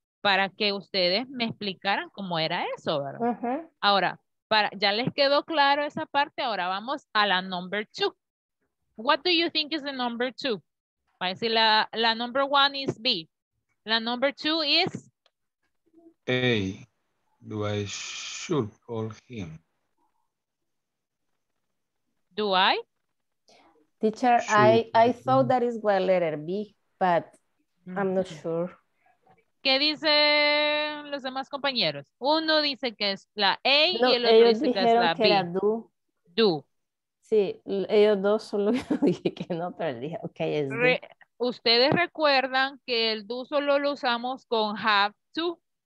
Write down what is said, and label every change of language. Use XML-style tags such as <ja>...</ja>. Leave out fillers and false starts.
<es>Para que ustedes me explicaran cómo era eso, ¿verdad? Ahora, para, ya les quedó claro esa parte, ahora vamos a la number two.</es> <en>What do you think is the number two?</en> <es>Para decir,</es> <en>la number one is B. La number two is A. Do I should call him? Do I? Teacher, I thought that is what letter B, but I'm not sure.</en> <es>¿Qué dicen los demás compañeros? Uno dice que es la A y el otro dice que es la B. Que era do. Do. Sí, ellos dos solo dije que no, pero dije, ok, es do. ¿Ustedes recuerdan que el do solo lo usamos con have to?</es>